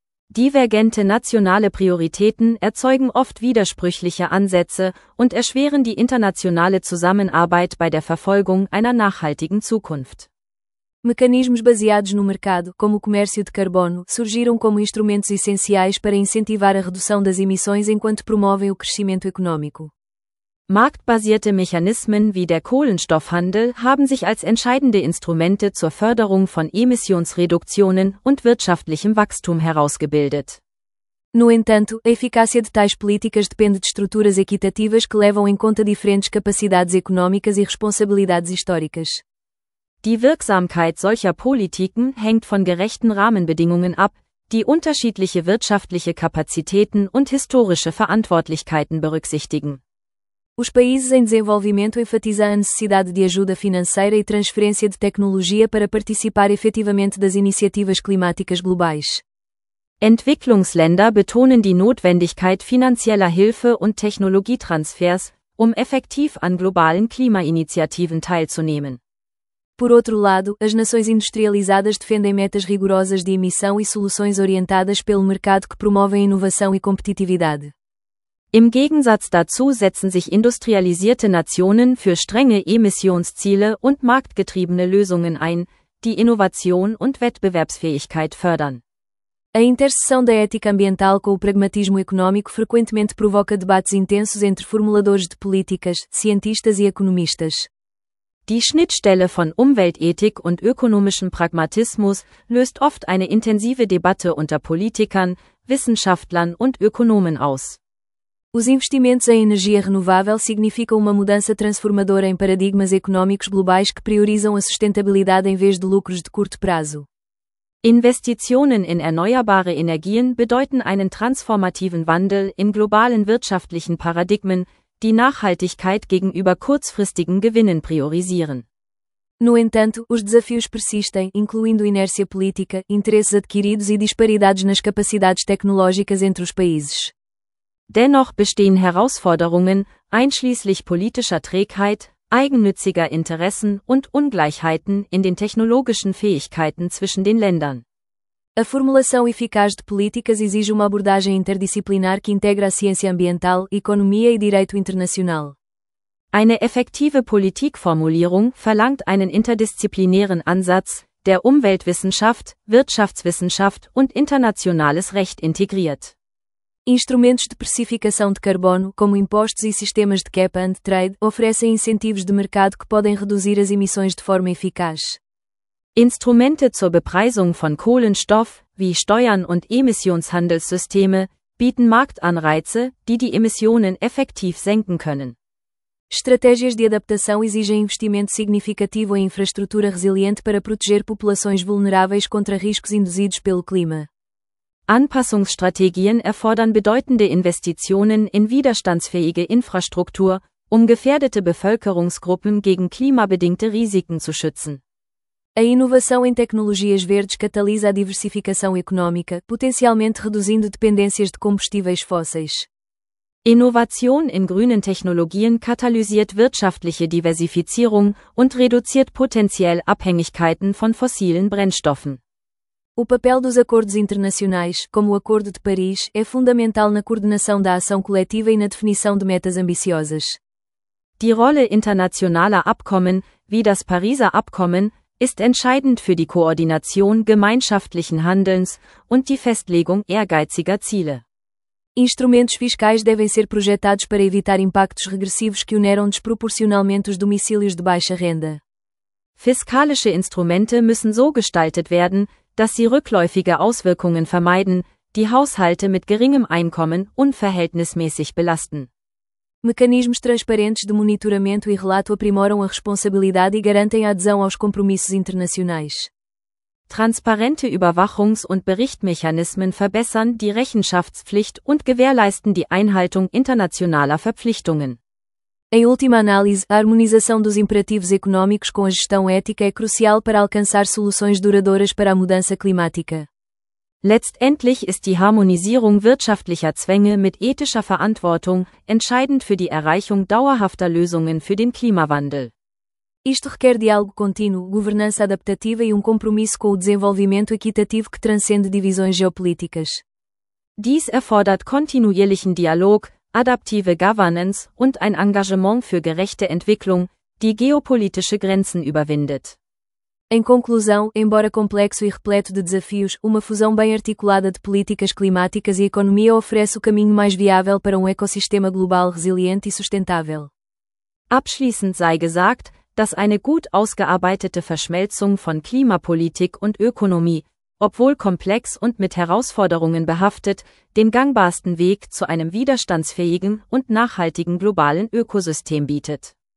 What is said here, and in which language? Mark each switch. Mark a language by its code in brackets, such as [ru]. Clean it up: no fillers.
[de] Divergente nationale Prioritäten erzeugen oft widersprüchliche Ansätze und erschweren die internationale Zusammenarbeit bei der Verfolgung einer nachhaltigen Zukunft. [pt] Mecanismos baseados no mercado, como o comércio de carbono, surgiram como instrumentos essenciais para incentivar a redução das emissões enquanto promovem o crescimento econômico. [de] Marktbasierte Mechanismen wie der Kohlenstoffhandel haben sich als entscheidende Instrumente zur Förderung von Emissionsreduktionen und wirtschaftlichem Wachstum herausgebildet. [pt] No entanto, a eficácia de tais políticas depende de estruturas equitativas que levam em conta diferentes capacidades económicas e responsabilidades históricas. [de] Die Wirksamkeit solcher Politiken hängt von gerechten Rahmenbedingungen ab, die unterschiedliche wirtschaftliche Kapazitäten und historische Verantwortlichkeiten berücksichtigen. [pt] Os países em desenvolvimento enfatizam a necessidade de ajuda financeira e transferência de tecnologia para participar efetivamente das iniciativas climáticas globais. [de] Entwicklungsländer betonen die Notwendigkeit finanzieller Hilfe und Technologietransfers, effektiv an globalen Klimainitiativen teilzunehmen. [pt] Por outro lado, as nações industrializadas defendem metas rigorosas de emissão e soluções orientadas pelo mercado que promovem inovação e competitividade. [de] Im Gegensatz dazu setzen sich industrialisierte Nationen für strenge Emissionsziele und marktgetriebene Lösungen ein, die Innovation und Wettbewerbsfähigkeit fördern. [pt] A interseção da ética ambiental com o pragmatismo econômico frequentemente provoca debates intensos entre formuladores de políticas, cientistas e economistas. [de] Die Schnittstelle von Umweltethik und ökonomischem Pragmatismus löst oft eine intensive Debatte unter Politikern, Wissenschaftlern und Ökonomen aus. [pt] Os investimentos em energia renovável significam mudança transformadora em paradigmas econômicos globais que priorizam a sustentabilidade em vez de lucros de curto prazo. [de] Investitionen in erneuerbare Energien bedeuten einen transformativen Wandel in globalen wirtschaftlichen Paradigmen, die Nachhaltigkeit gegenüber kurzfristigen Gewinnen priorisieren. [pt] No entanto, os desafios persistem, incluindo inércia política, interesses adquiridos e disparidades nas capacidades tecnológicas entre os países. [de] Dennoch bestehen Herausforderungen, einschließlich politischer Trägheit, eigennütziger Interessen und Ungleichheiten in den technologischen Fähigkeiten zwischen den Ländern. [pt] A formulação eficaz de políticas exige abordagem interdisciplinar que integra a ciência ambiental, economia e direito internacional. [de] Eine effektive Politikformulierung verlangt einen interdisziplinären Ansatz, der Umweltwissenschaft, Wirtschaftswissenschaft und internationales Recht integriert. [pt] Instrumentos de precificação de carbono, como impostos e sistemas de cap and trade, oferecem incentivos de mercado que podem reduzir as emissões de forma eficaz. [de] Instrumente zur Bepreisung von Kohlenstoff, wie Steuern und Emissionshandelssysteme, bieten Marktanreize, die die Emissionen effektiv senken können. [pt] Estratégias de adaptação exigem investimento significativo em infraestrutura resiliente para proteger populações vulneráveis contra riscos induzidos pelo clima. [de] Anpassungsstrategien erfordern bedeutende Investitionen in widerstandsfähige Infrastruktur, um gefährdete Bevölkerungsgruppen gegen klimabedingte Risiken zu schützen. [pt] A inovação em tecnologias verdes catalisa a diversificação econômica, potencialmente reduzindo dependências de combustíveis fósseis. [de] Innovation in grünen Technologien katalysiert wirtschaftliche Diversifizierung und reduziert potenziell Abhängigkeiten von fossilen Brennstoffen. [pt] O papel dos acordos internacionais, como o Acordo de Paris, é fundamental na coordenação da ação coletiva e na definição de metas ambiciosas. [de] Die Rolle internationaler Abkommen, wie das Pariser Abkommen, ist entscheidend für die Koordination gemeinschaftlichen Handelns und die Festlegung ehrgeiziger Ziele. [pt] Instrumentos fiscais devem ser projetados para evitar impactos regressivos que oneram desproporcionalmente os domicílios de baixa renda. [de] Fiskalische Instrumente müssen so gestaltet werden, dass sie rückläufige Auswirkungen vermeiden, die Haushalte mit geringem Einkommen unverhältnismäßig belasten. [pt] Mecanismos transparentes de monitoramento e relato aprimoram a responsabilidade e garantem a adesão aos compromissos internacionais. [de] Transparente Überwachungs- und Berichtmechanismen verbessern die Rechenschaftspflicht und gewährleisten die Einhaltung internationaler Verpflichtungen. [pt] Em última análise, a harmonização dos imperativos econômicos com a gestão ética é crucial para alcançar soluções duradouras para a mudança climática. [de] Letztendlich ist die Harmonisierung wirtschaftlicher Zwänge mit ethischer Verantwortung entscheidend für die Erreichung dauerhafter Lösungen für den Klimawandel. [pt] Isto requer diálogo contínuo, governança adaptativa e compromisso com o desenvolvimento equitativo que transcende divisões geopolíticas. [de] Dies erfordert kontinuierlichen Dialog, adaptive Governance und ein Engagement für gerechte Entwicklung, die geopolitische Grenzen überwindet. [pt] Em conclusão, embora complexo e repleto de desafios, uma fusão bem articulada de políticas climáticas e economia oferece o caminho mais viável para ecossistema global resiliente e sustentável. [de] Abschließend sei gesagt, dass eine gut ausgearbeitete Verschmelzung von Klimapolitik und Ökonomie, obwohl komplex und mit Herausforderungen behaftet, den gangbarsten Weg zu einem widerstandsfähigen und nachhaltigen globalen Ökosystem bietet.